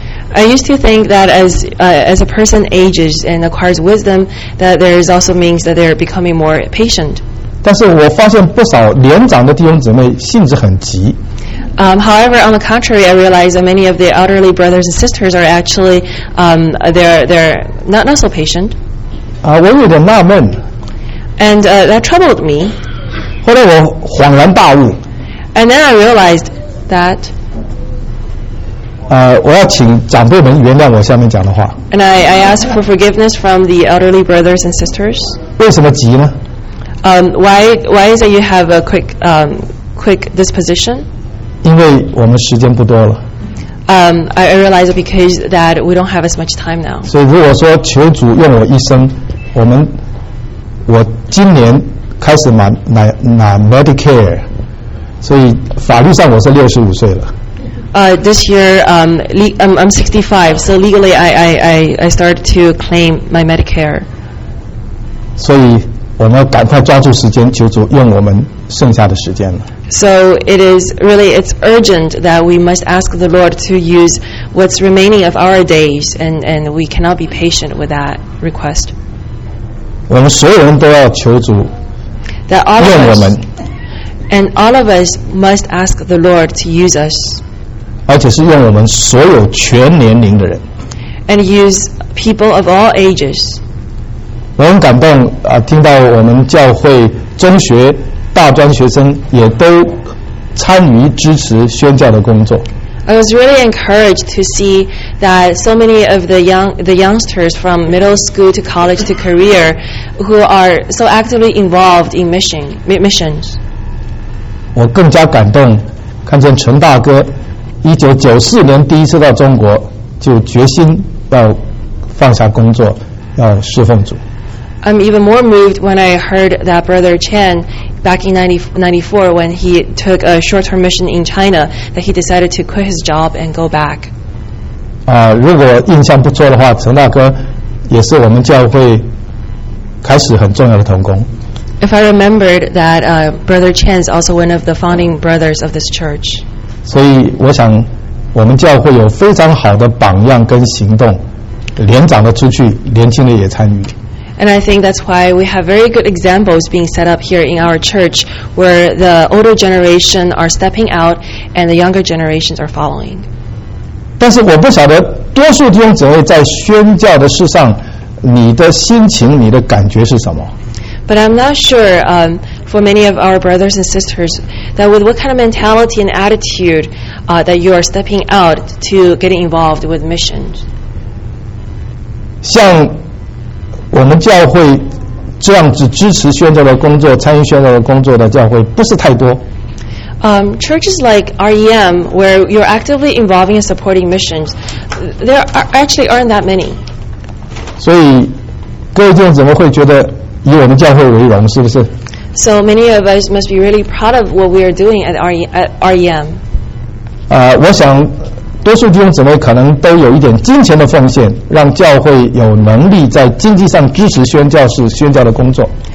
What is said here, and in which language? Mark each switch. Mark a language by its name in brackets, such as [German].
[English] I used to think that as a person ages and acquires wisdom, that there is also means that they are becoming more patient. [Chinese] 但是我发现不少年长的弟兄姊妹性子很急。 [English] However, on the contrary, I realize that many of the elderly brothers and sisters are actually they're not so patient. [Chinese] 我有点纳闷。 [English] And that troubled me. [Chinese] 后来我恍然大悟。 [English] And then I realized that. [Chinese] 我要请长辈们原谅我下面讲的话。 [English] And I ask for forgiveness from the elderly brothers and sisters. [Chinese] 为什么急呢？ [English] Why is that you have a quick disposition? [Chinese] 因为我们时间不多了。 [English] I realize because that we don't have as much time now. [Chinese] 所以如果说求主用我一生，我今年开始拿 Medicare， 所以法律上我是65岁了。 [English] This year, I'm 65, so legally I started to claim my Medicare. [Chinese] 所以我们要赶快抓住时间，求主用我们剩下的时间了。 [English] So it is really, it's urgent that we must ask the Lord to use what's remaining of our days, and we cannot be patient with that request. [Chinese] 我们所有人都要求主用我们。 [English] And all of us must ask the Lord to use us. [Chinese] 而且是用我们所有全年龄的人 [English] and use people of all ages. [Chinese] 我很感动啊，听到我们教会中学、大专学生也都参与支持宣教的工作。 [English] I was really encouraged to see that so many of the youngsters from middle school to college to career who are so actively involved in missions. [Chinese] 我更加感动，看见陈大哥。1994年第一次到中国就决心要放下工作要侍奉主。 [English] I'm even more moved when I heard that Brother Chen back in 1994 when he took a short term mission in China that he decided to quit his job and go back. [Chinese] 如果印象不错的话，陈大哥也是我们教会开始很重要的同工。 [English] If I remembered that Brother Chen is also one of the founding brothers of this church. [Chinese] 所以我想我们教会有非常好的榜样跟行动，年长的出去，年轻的也参与。 [English] And I think that's why we have very good examples being set up here in our church where the older generation are stepping out and the younger generations are following. [Chinese] 但是我不晓得多数弟兄姊妹在宣教的事上你的心情你的感觉是什么。 [English] But I'm not sure for many of our brothers and sisters that with what kind of mentality and attitude that you are stepping out to get involved with missions. [Chinese] 像我们教会这样子支持宣教的工作，参与宣教的工作的教会不是太多。 [English] Churches like REM where you're actively involving and supporting missions, there are actually aren't that many. [Chinese] 所以各位弟兄怎么会觉得以我们教会为荣，是不是？ [English] So many of us must be really proud of what we are doing at REM. [Chinese] 我想多数弟兄姊妹可能都有一点金钱的奉献，让教会有能力在经济上支持宣教士宣教的工作。